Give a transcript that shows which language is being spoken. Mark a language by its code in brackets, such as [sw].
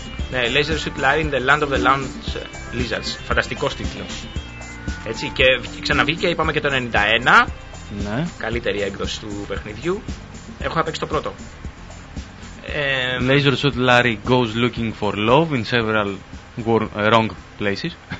[en] Ναι, Laser Suit Larry in the Land of the Lounge Lizards. [el] Φανταστικός τίτλος. Έτσι, και ξαναβγήκε, είπαμε και το 91. Ναι. Καλύτερη έκδοση του παιχνιδιού. Έχω παίξει το πρώτο. [en] Laser Shot Larry goes looking for love in several wrong places.